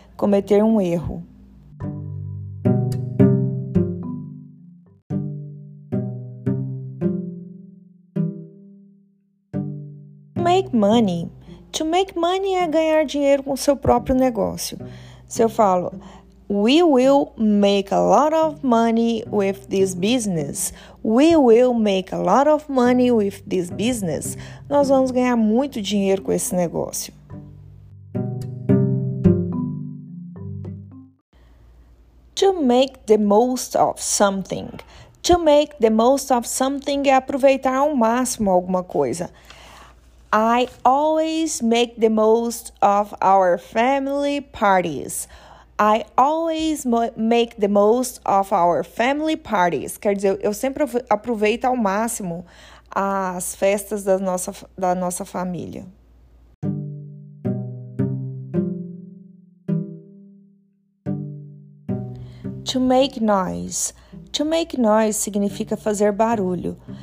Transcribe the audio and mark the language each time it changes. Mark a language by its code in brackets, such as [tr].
[pt] Cometer um erro. [en] To make money. To make money [pt] é ganhar dinheiro com seu próprio negócio. Se eu falo, [en] we will make a lot of money with this business. We will make a lot of money with this business. [pt] Nós vamos ganhar muito dinheiro com esse negócio. [en] To make the most of something. To make the most of something [pt] é aproveitar ao máximo alguma coisa. [en] I always make the most of our family parties. I always make the most of our family parties. Quer dizer, [pt] eu sempre aproveito ao máximo as festas da nossa família. [en] To make noise. To make noise [pt] significa fazer barulho.